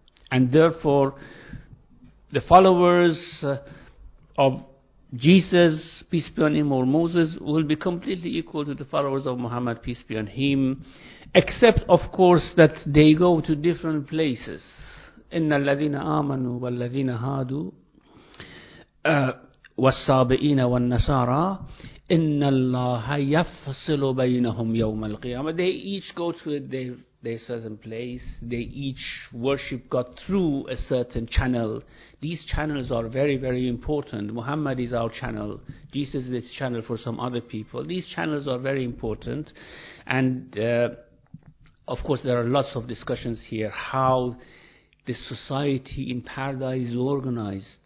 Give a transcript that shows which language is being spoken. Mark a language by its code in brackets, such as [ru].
[en] And therefore, the followers of Jesus, peace be on him, or Moses, will be completely equal to the followers of Muhammad, peace be on him. Except, of course, that they go to different places. [ar] إِنَّ الَّذِينَ آمَنُوا وَالَّذِينَ هَادُوا والصابئين والنصارى إن الله يفصل بينهم يوم القيامة. [en] They each go to their their certain place. They each worship God through a certain channel. These channels are very, very important. Muhammad is our channel. Jesus is the channel for some other people. These channels are very important. And of course, there are lots of discussions here how the society in paradise is organized.